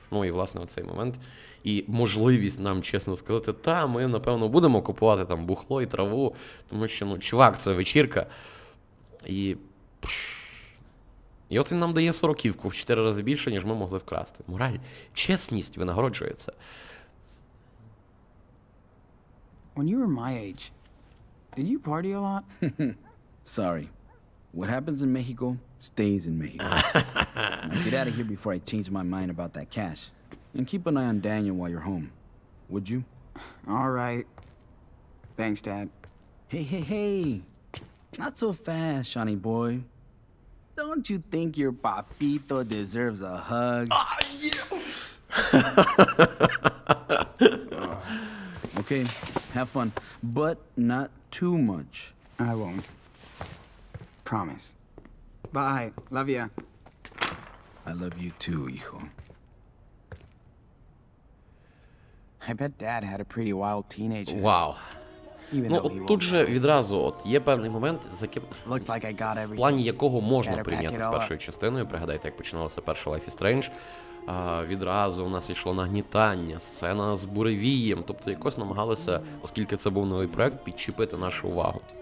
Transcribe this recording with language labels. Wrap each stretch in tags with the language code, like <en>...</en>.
<uk>Ну і, власне, оцей момент. І можливість нам, чесно сказати, та, ми, напевно, будемо купувати там бухло і траву, тому що, ну, чувак, це вечірка. І от він нам дає 40-ку в 4 рази більше, ніж ми могли вкрасти. Мораль, чесність винагороджується.</uk> <en>When you were my age, did you party a lot? Sorry. What happens in Mexico stays in Mexico. Get out of here before I change my mind about that cash. And keep an eye on Daniel while you're home. Would you? All right. Thanks, Dad. Hey, hey, hey. Not so fast, Shawnee boy. Don't you think your papito deserves a hug? Okay, have fun. But not too much. I won't. Promise. Bye. Love ya. I love you too, hijo. I bet Dad had a pretty wild teenager. Wow.</en> <uk>Ну, от тут же відразу от є певний момент, за яким, в плані якого можна прийняти з першою частиною. Пригадайте, як починалося перше Life is Strange. відразу у нас йшло нагнітання, сцена з буревієм, тобто якось намагалися, оскільки це був новий проект, підчепити нашу увагу.</uk>